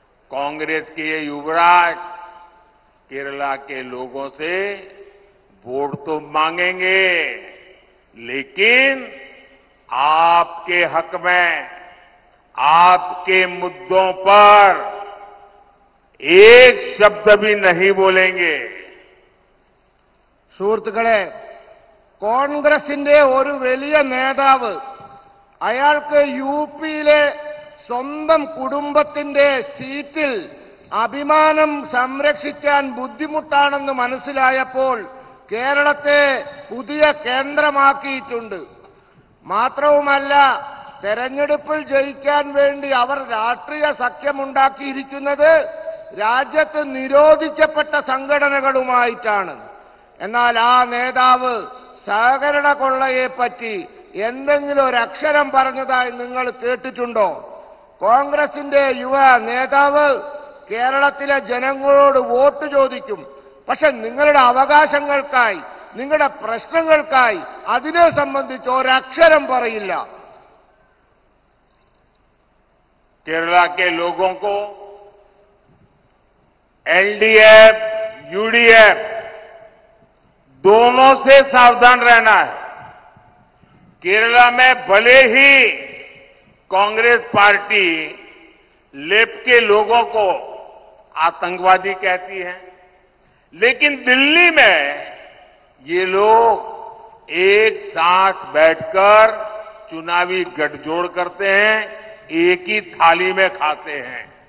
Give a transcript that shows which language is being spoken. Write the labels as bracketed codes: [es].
[hi] कांग्रेस के ये युवराज केरला के लोगों से वोट तो मांगेंगे लेकिन आपके हक में आपके मुद्दों पर एक शब्द भी नहीं बोलेंगे। [ml] സുഹൃത്തുക്കളെ, കോൺഗ്രസിന്റെ ഒരു വലിയ നേതാവ് അയാൾക്ക് യു പിയിലെ സ്വന്തം കുടുംബത്തിന്റെ സീറ്റിൽ അഭിമാനം സംരക്ഷിക്കാൻ ബുദ്ധിമുട്ടാണെന്ന് മനസ്സിലായപ്പോൾ കേരളത്തെ പുതിയ കേന്ദ്രമാക്കിയിട്ടുണ്ട്. മാത്രവുമല്ല, തെരഞ്ഞെടുപ്പിൽ ജയിക്കാൻ വേണ്ടി അവർ രാഷ്ട്രീയ സഖ്യമുണ്ടാക്കിയിരിക്കുന്നത് രാജ്യത്ത് നിരോധിക്കപ്പെട്ട സംഘടനകളുമായിട്ടാണ്. എന്നാൽ ആ നേതാവ് സഹകരണ കൊള്ളയെപ്പറ്റി എന്തെങ്കിലും ഒരു അക്ഷരം പറഞ്ഞതായി നിങ്ങൾ കേട്ടിട്ടുണ്ടോ? കോൺഗ്രസിന്റെ യുവ നേതാവ് കേരളത്തിലെ ജനങ്ങളോട് വോട്ട് ചോദിക്കും, പക്ഷെ നിങ്ങളുടെ അവകാശങ്ങൾക്കായി നിങ്ങളുടെ പ്രശ്നങ്ങൾക്കായി അതിനെ സംബന്ധിച്ച് ഒരക്ഷരം പറയില്ല. കേരളത്തിലെ ലോകങ്ങൾക്ക് എൽഡിഎഫ് യുഡിഎഫ് [hi] दोनों से सावधान रहना है। केरला में भले ही कांग्रेस पार्टी लेफ्ट के लोगों को आतंकवादी कहती है लेकिन दिल्ली में ये लोग एक साथ बैठकर चुनावी गठजोड़ करते हैं, एक ही थाली में खाते हैं।